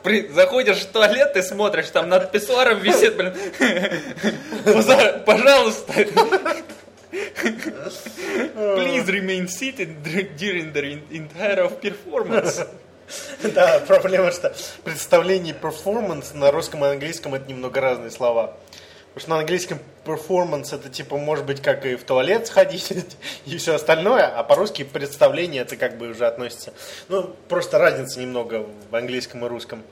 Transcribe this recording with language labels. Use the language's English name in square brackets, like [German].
[Russian] Заходишь в туалет, ты смотришь, там над писсуаром висит, блин. Пожалуйста. [English] Please remain seated during the entire of performance. [Russian] Да, проблема, что представление performance на русском и английском это немного разные слова. Потому что на английском performance это типа может быть как и в туалет сходить и все остальное, а по-русски представление это как бы уже относится. Ну, просто разница немного в английском и русском.